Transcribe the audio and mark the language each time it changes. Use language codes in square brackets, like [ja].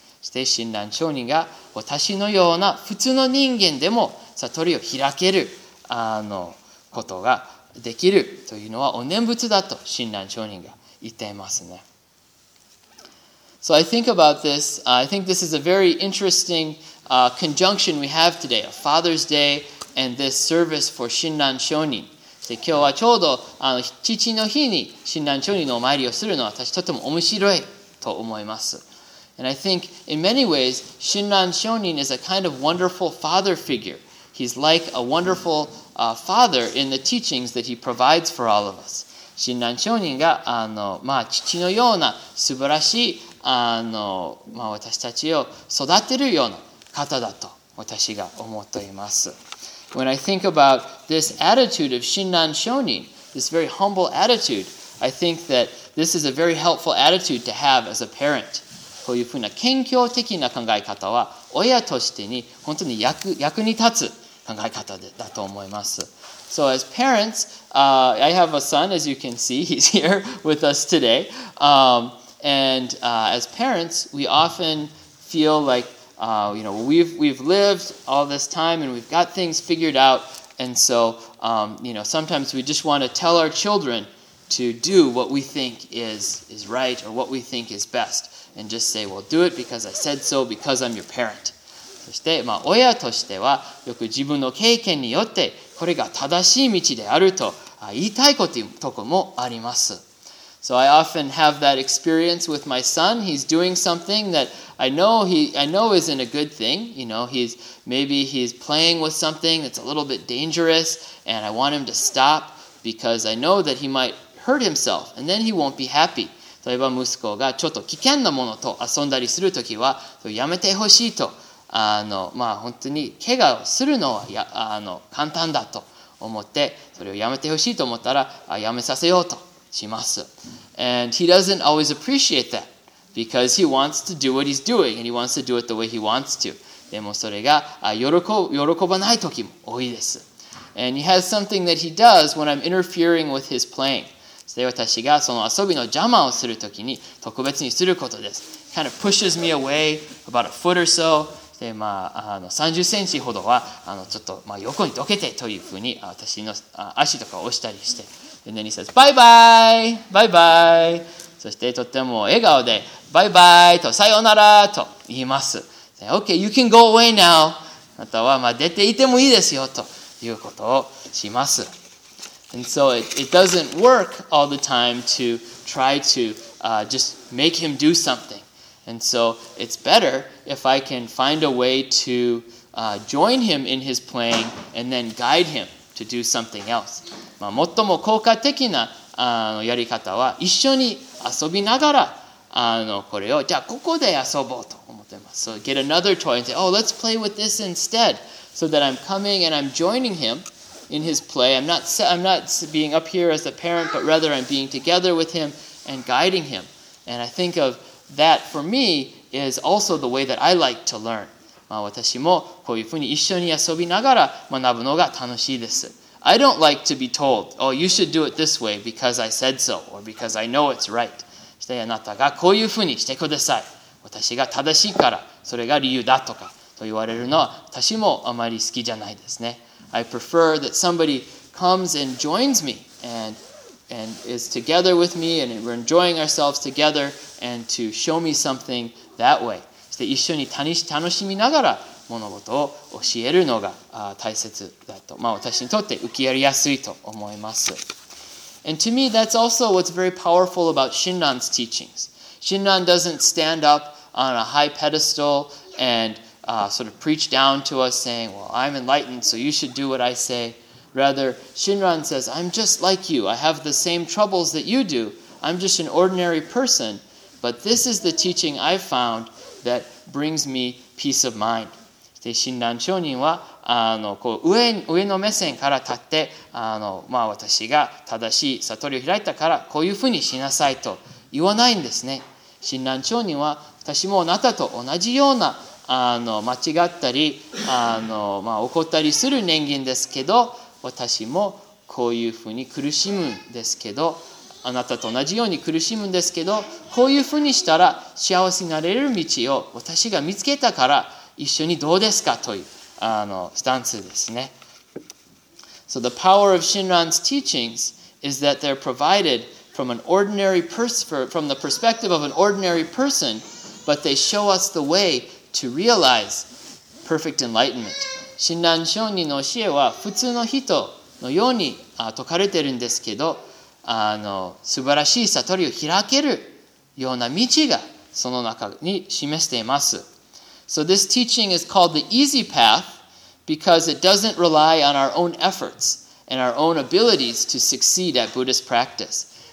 [ja] そして親鸞聖人が私のような普通の人間でも悟りを開けることができるというのはお念仏だと親鸞聖人が言っていますね。 [en] So I think about this. I think this is a very interesting conjunction we have today, a Father's Day. And this service for 親鸞聖人。 [ja] で、今日はちょうど父の日に親鸞聖人のお参りをするのは私とても面白いと思います。 [en] And I think in many ways, 親鸞聖人 is a kind of wonderful father figure. He's like a wonderful father in the teachings that he provides for all of us. [ja] 親鸞聖人が父のような素晴らしい私たちを育てるような方だと私が思っています。 [en] When I think about this attitude of 親鸞聖人, this very humble attitude, I think that this is a very helpful attitude to have as a parent. [ja] こういうふうな謙虚的な考え方は、親としてに本当に役に立つ考え方だと思います。 [en] So as parents, I have a son, as you can see, he's here with us today. As parents, we often feel like,we've lived all this time and we've got things figured out, and so sometimes we just want to tell our children to do what we think is right or what we think is best, and just say, well, do it because I said so, because I'm your parent. [ja] そして親としてはよく自分の経験によってこれが正しい道であると言いたいことともあります。 [en] So I often have that experience with my son. He's doing something that I know isn't a good thing. He's playing with something that's a little bit dangerous, and I want him to stop because I know that he might hurt himself, and then he won't be happy. [ja] 例えば息子がちょっと危険なものと遊んだりするときは、やめてほしいと、本当に怪我をするのは簡単だと思って、それをやめてほしいと思ったら、やめさせようと。 [en] And he doesn't always appreciate that. because he wants to do what he's doing and he wants to do it the way he wants to. [ja] でもそれが喜ばない時も多いです。 [en] And he has something that he does when I'm interfering with his playing. [ja] それは私がその遊びの邪魔をする時に特別にすることです。 [en] Kind of pushes me away about a foot or so. [ja] で、まあ、30センチほどはちょっと、まあ、横にどけてというふうに私の足とかを押したりして。 [en] And then he says, bye bye! Bye bye! [ja] そしてとても笑顔で、バイバイとさようならと言います。 [en] Okay, you can go away now. [ja] またはまあ出ていてもいいですよということをします。 [en] And so it doesn't work all the time to try to just make him do something. And so it's better if I can find a way to join him in his playing and then guide him to do something else. [ja] まあ最も効果的なやり方は一緒に遊びながらこれをじゃあここで遊ぼうと思ってます。 [en] So get another toy and say, oh, let's play with this instead. So that I'm coming and I'm joining him in his play. I'm not being up here as a parent, but rather I'm being together with him and guiding him. And I think of that for me is also the way that I like to learn. [ja] まあ私もこういうふうに一緒に遊びながら学ぶのが楽しいです。 [en] I don't like to be told, oh, you should do it this way because I said so or because I know it's right. [ja] してあなたがこういうふうにしてください。私が正しいからそれが理由だとかと言われるのは私もあまり好きじゃないですね。 [en] I prefer that somebody comes and joins me and is together with me and we're enjoying ourselves together and to show me something that way. [ja] して一緒に楽しみながら物事を教えるのが大切だと、まあ、私にとって受け入れやすいと思います。 [en] And to me, that's also what's very powerful about Shinran's teachings. Shinran doesn't stand up on a high pedestal and sort of preach down to us saying, well, I'm enlightened, so you should do what I say. Rather, Shinran says, I'm just like you. I have the same troubles that you do. I'm just an ordinary person. But this is the teaching I've found that brings me peace of mind. [ja] で診断証人はこう 上の目線から立って私が正しい悟りを開いたからこういうふうにしなさいと言わないんですね。診断証人は私もあなたと同じような間違ったり怒ったりする人間ですけど、私もこういうふうに苦しむんですけど、あなたと同じように苦しむんですけど、こういうふうにしたら幸せになれる道を私が見つけたから一緒にどうですかというスタンスですね。 [en] So the power of Shinran's teachings is that they're provided from an ordinary from the perspective of an ordinary person, but they show us the way to realize perfect enlightenment. [ja] 診断証人の教えは普通の人のように説かれてるんですけど、素晴らしい悟りを開けるような道がその中に示しています。 [en] So this teaching is called the easy path because it doesn't rely on our own efforts and our own abilities to succeed at Buddhist practice.